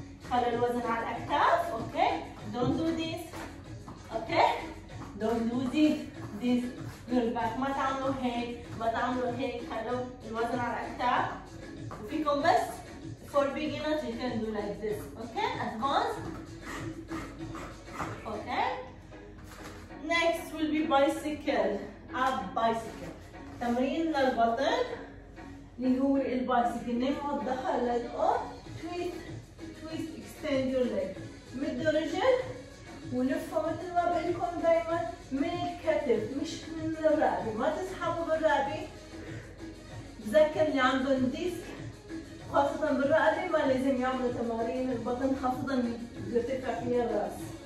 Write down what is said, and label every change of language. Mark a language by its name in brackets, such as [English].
[Arabic] خلي الوزن على الأكتاف. [English] Okay, don't do this. Okay, don't do this your back. [Arabic] ما تعملوا هيك، ما تعملوا هيك. خلوا الوزن على الأكتاف، وفيكم بس [English] For beginners you can do like this. Okay, advance. Okay, next will be bicycle. up bicycle. [Arabic] تمرين للبطن اللي هو البايسيكل. نرفع الظهر للأرض. [English] twist extend your leg. [Arabic] مدوا رجل ولفوا مثل ما بقولكم دائما من الكتف مش من الرقبة. ما تسحبوا بالرقبة. تذكر اللي عندهم ديسك خاصة بالرقبة ما لازم يعملوا تمارين البطن خاصة لترفع فيها الرأس.